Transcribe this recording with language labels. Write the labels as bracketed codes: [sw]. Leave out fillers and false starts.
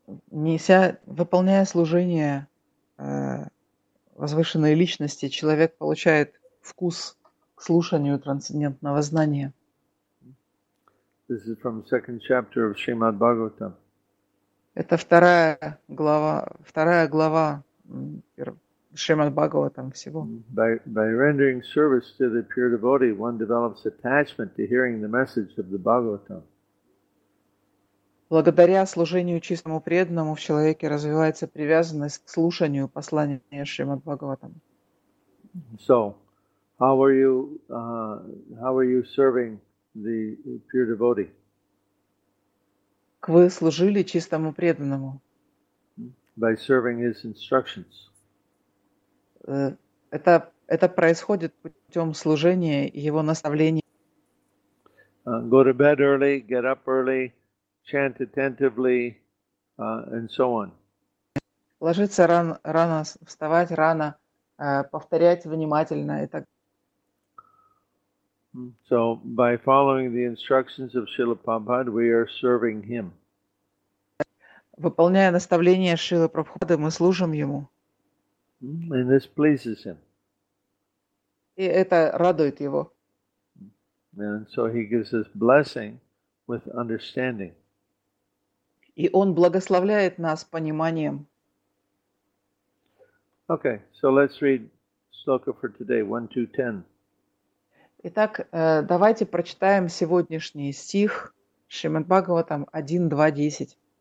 [ru] Неся, выполняя служение возвышенной личности, человек получает вкус к слушанию трансцендентного знания. [en] This is from the second chapter of Srimad Bhagavatam. [ru] Это вторая глава Srimad Bhagavatam всего. [en] By rendering service to the pure devotee, one develops attachment to hearing the message of the Bhagavatam. [ru] Благодаря служению чистому преданному в человеке развивается привязанность к слушанию послания Srimad Bhagavatam. [en] So, how are you serving the pure devotee? [ru] Как вы служили чистому преданному? [en] By serving his instructions. [ru] Это происходит путем служения его наставления. [en] Go to bed early, get up early, chant attentively, and so on. [ru] Ложиться рано, вставать рано, повторять внимательно и так далее. [en] So, by following the instructions of Srila Prabhupada, we are serving him. [ru] Выполняя наставления Шрилы Прабхупады, мы служим Ему. [en] And this pleases him. [ru] И это радует Его. [en] And so he gives us blessing with understanding. [ru] И Он благословляет нас пониманием. [en] Okay, so let's read sloka for today, 1-2-10. [ru] Итак, давайте прочитаем сегодняшний стих Шримад Бхагаватам 1-2-10.